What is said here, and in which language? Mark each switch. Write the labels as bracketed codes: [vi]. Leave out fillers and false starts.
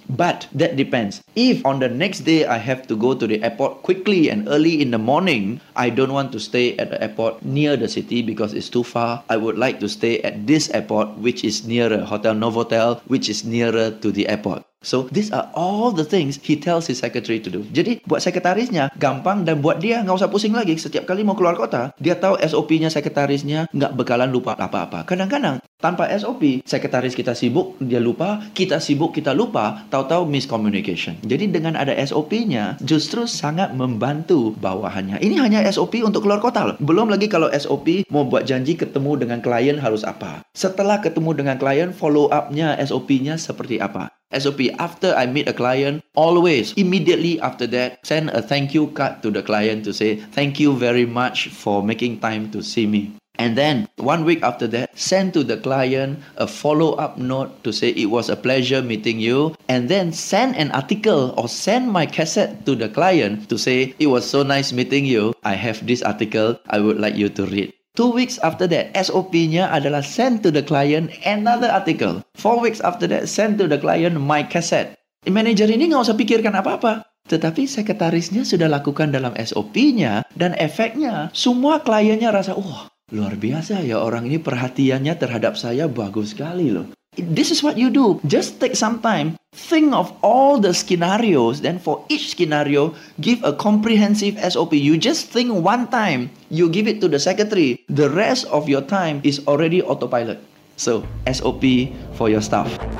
[en] But that depends. If on the next day I have to go to the airport quickly and early in the morning, I don't want to stay at the airport near the city because it's too far. I would like to stay at this airport, which is nearer, Hotel Novotel, which is nearer to the airport. So these are all the things he tells his secretary to do. [id] Jadi buat sekretarisnya gampang, dan buat dia nggak usah pusing lagi. Setiap kali mau keluar kota, dia tahu SOP-nya sekretarisnya, nggak bakalan lupa apa-apa. Kadang-kadang tanpa SOP, sekretaris kita sibuk, dia lupa. Kita sibuk, kita lupa. Tahu-tahu miscommunication. Jadi dengan ada SOP-nya, justru sangat membantu bawahannya. Ini hanya SOP untuk keluar kota loh. Belum lagi kalau SOP mau buat janji ketemu dengan klien harus apa. Setelah ketemu dengan klien, follow up-nya SOP-nya seperti apa. [en] SOP, after I meet a client, always, immediately after that, send a thank you card to the client to say, thank you very much for making time to see me. And then, 1 week after that, send to the client a follow-up note to say, it was a pleasure meeting you. And then, send an article or send my cassette to the client to say, it was so nice meeting you. I have this article I would like you to read. 2 weeks after that, SOP-nya adalah send to the client another article. 4 weeks after that, send to the client my cassette. [id] Manager ini nggak usah pikirkan apa-apa. Tetapi sekretarisnya sudah lakukan dalam SOP-nya, dan efeknya, semua kliennya rasa, wah, luar biasa ya orang ini perhatiannya terhadap saya bagus sekali loh. [en] This is what you do. Just take some time, think of all the scenarios, then for each scenario, give a comprehensive SOP. You just think one time, you give it to the secretary. The rest of your time is already autopilot. So, SOP for your staff.